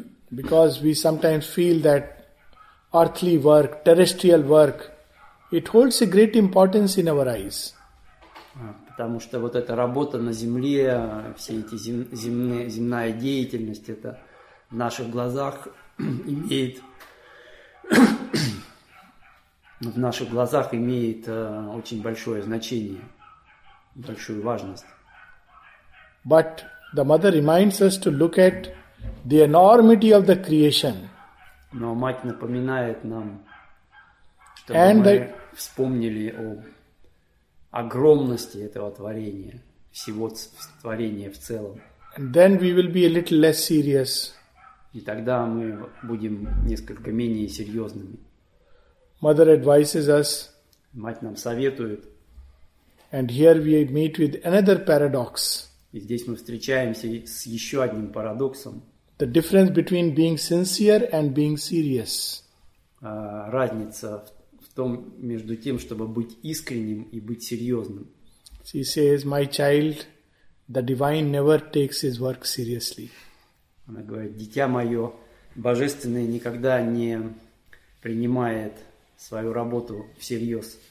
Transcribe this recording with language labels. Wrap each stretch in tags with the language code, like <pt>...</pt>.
<en>Because we sometimes feel that earthly work, terrestrial work, it holds a great importance in our eyes.</en> <ru>Потому что вот эта работа на земле, все эти земная деятельность, это в наших глазах имеет... в наших глазах имеет очень большое значение, большую важность.</ru> <en>But the mother reminds us to look at the enormity of the creation.</en> <ru>Но мать напоминает нам, чтобы</ru> <en>and</en> <ru>мы вспомнили о огромности этого творения, всего творения в целом.</ru> <en>And then we will be a little less serious.</en> <ru>И тогда мы будем несколько менее серьезными.</ru> <en>Mother advises us.</en> <ru>Мать нам советует.</ru> <en>And here we meet with another paradox.</en> <ru>И здесь мы встречаемся с еще одним парадоксом.</ru> <en>The difference between being sincere and being serious.</en> <ru>Разница в том, между тем, чтобы быть искренним и быть серьезным.</ru> <en>She says, "My child, the divine never takes his work seriously."</en> <ru>Она говорит, дитя мое, божественное никогда не принимает свою работу всерьез.</ru>